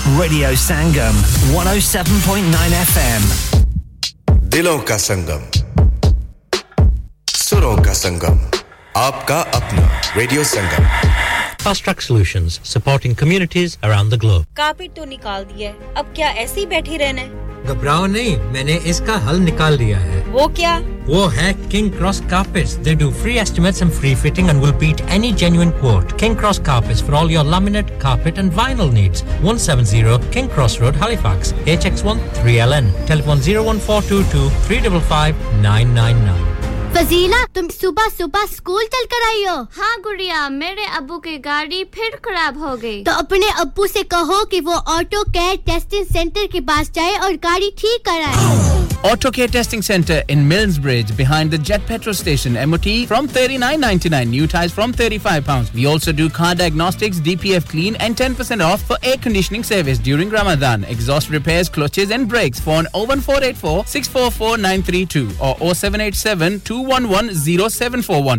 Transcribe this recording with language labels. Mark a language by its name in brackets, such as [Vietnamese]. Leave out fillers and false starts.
[English] Radio Sangam, 107.9 FM. [Hindi] Dilon ka Sangam. Suron ka Sangam. Aapka apna Radio Sangam. [English] Fast Track Solutions, supporting communities around the globe. [Hindi] Carpet to nikal diya hai. Ab kya aise hi baithi rehna hai? घबराओ नहीं मैंने इसका हल निकाल लिया है वो क्या वो है [English] King Cross Carpets. They do free estimates and free fitting and will beat any genuine quote. King Cross Carpets for all your laminate, carpet and vinyl needs. 170 King Cross Road, Halifax. HX1 3LN. Telephone 01422 355 999. [Hindi] Fazila तुम सुबह सुबह school चल कर आई हो हां गुड़िया मेरे अब्बू की गाड़ी फिर खराब हो गई तो अपने अब्बू से कहो कि वो ऑटो केयर टेस्टिंग सेंटर के पास जाए और गाड़ी ठीक कराए [English] Auto Care Testing Centre in Millsbridge behind the Jet Petrol Station MOT from £39.99. New tyres from £35. We also do car diagnostics, DPF clean and 10% off for air conditioning service during Ramadan. Exhaust repairs, clutches and brakes. Phone 01484 644932 or 0787 211 0741.